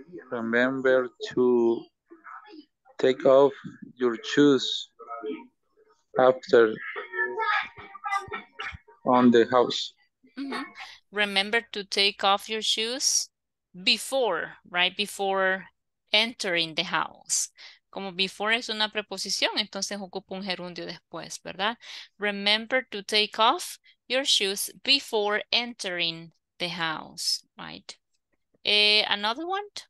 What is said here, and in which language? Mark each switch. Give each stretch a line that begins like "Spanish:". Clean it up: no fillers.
English: Remember to take off your shoes after on the house. Mm-hmm. Remember to take off your shoes before, right? Before entering the house.
Spanish: Como before es una preposición, entonces ocupa un gerundio después, ¿verdad?
English: Remember to take off your shoes before entering the house, right? Another one?